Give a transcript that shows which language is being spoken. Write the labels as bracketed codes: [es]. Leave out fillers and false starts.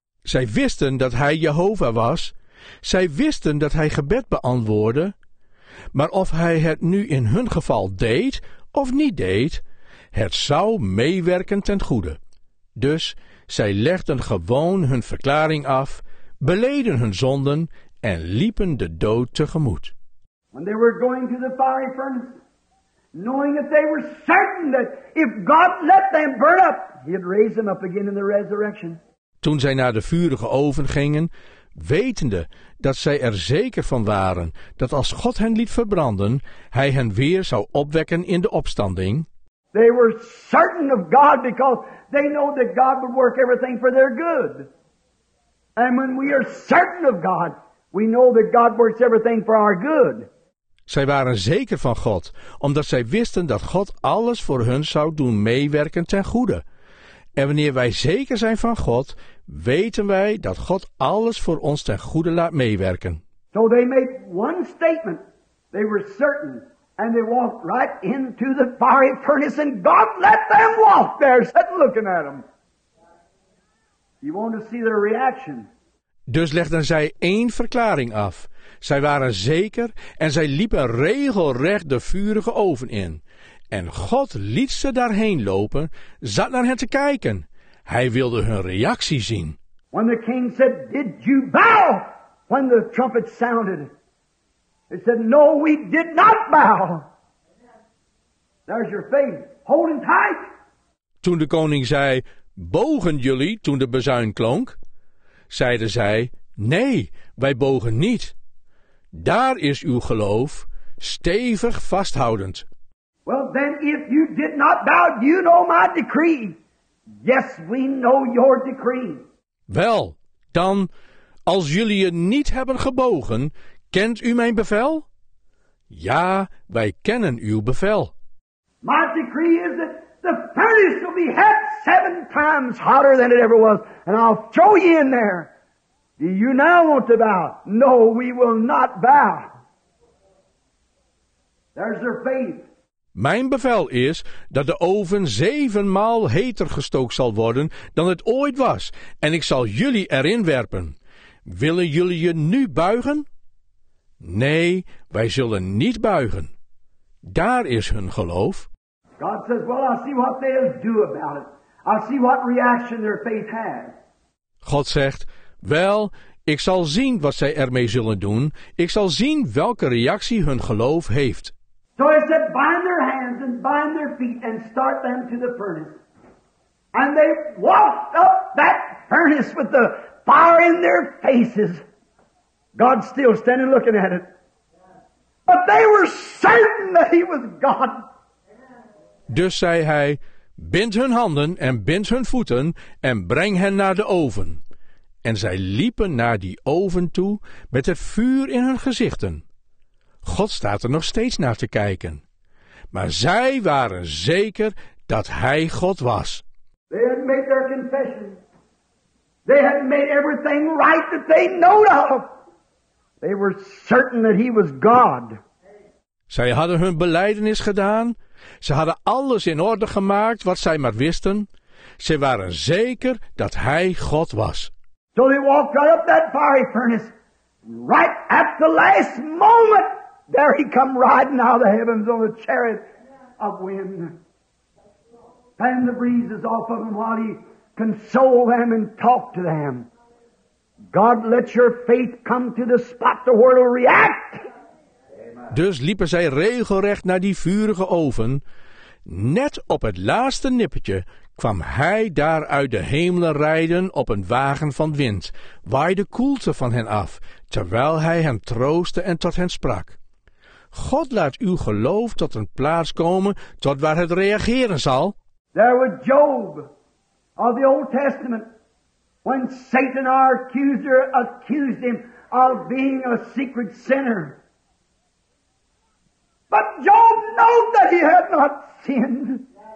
[nl] Zij wisten dat hij Jehovah was. Zij wisten dat hij gebed beantwoordde. Maar of hij het nu in hun geval deed of niet deed, het zou meewerken ten goede. Dus zij legden gewoon hun verklaring af, beleden hun zonden en liepen de dood tegemoet. [en] When they were going to the fiery furnace, knowing that they were certain that if God let them burn up, he'd raise them up again in the resurrection. [nl] Toen zij naar de vurige oven gingen, wetende dat zij er zeker van waren dat als God hen liet verbranden, hij hen weer zou opwekken in de opstanding. [en] They were certain of God because they know that God would work everything for their good. And when we are certain of God, we know that God works everything for our good. [nl] Zij waren zeker van God, omdat zij wisten dat God alles voor hun zou doen meewerken ten goede. En wanneer wij zeker zijn van God, weten wij dat God alles voor ons ten goede laat meewerken. [en] So they made one statement. They were certain. And they walked right into the fiery furnace and God let them walk there, sat looking at them. You want to see their reaction. [nl] Dus legden zij één verklaring af. Zij waren zeker en zij liepen regelrecht de vurige oven in. En God liet ze daarheen lopen, zat naar hen te kijken. Hij wilde hun reactie zien. [en] When the king said, did you bow? When the trumpet sounded. They said, no, we did not bow. There's your faith. Holding tight. [nl] Toen de koning zei, bogen jullie toen de bezuin klonk? Zeiden zij, nee, wij bogen niet. Daar is uw geloof, stevig vasthoudend. [en] Well, then, if you did not bow, you know my decree. Yes, we know your decree. [nl] Wel, dan, als jullie je niet hebben gebogen, kent u mijn bevel? Ja, wij kennen uw bevel. [en] My decree is that the furnace will be hot 7 times hotter than it ever was, and I'll throw you in there. Do you now want to bow? No, we will not bow. There's their faith. [nl] Mijn bevel is dat de oven 7 heter gestookt zal worden dan het ooit was, en ik zal jullie erin werpen. Willen jullie je nu buigen? Nee, wij zullen niet buigen. Daar is hun geloof. [en] God says, well, I'll see what they'll do about it. I'll see what reaction their faith has. [nl] God zegt, wel, ik zal zien wat zij ermee zullen doen. Ik zal zien welke reactie hun geloof heeft. [en] So he said, bind their hands and bind their feet and start them to the furnace. And they walked up that furnace with the fire in their faces. God's still standing looking at it. But they were certain that he was God. [nl] Dus zei hij, bind hun handen en bind hun voeten en breng hen naar de oven. En zij liepen naar die oven toe met het vuur in hun gezichten. God staat er nog steeds naar te kijken. Maar zij waren zeker dat hij God was. [en] They had made their confession. They had made everything right that they knew of. They were certain that he was God. [nl] Zij hadden hun belijdenis gedaan. Ze hadden alles in orde gemaakt wat zij maar wisten. Ze waren zeker dat hij God was. [en] So they walked right up that fiery furnace. Right at the last moment, there he come riding out of the heavens on a chariot of wind. Fanned the breezes off of him while he consoled them and talked to them. God, let your faith come to the spot the world will react. [nl] Dus liepen zij regelrecht naar die vurige oven. Net op het laatste nippertje kwam hij daar uit de hemelen rijden op een wagen van wind, waaide koelte van hen af, terwijl hij hen troostte en tot hen sprak. God laat uw geloof tot een plaats komen tot waar het reageren zal. [en] There was Job of the Old Testament when Satan our accuser accused him of being a secret sinner. But Job knew that he had not sinned.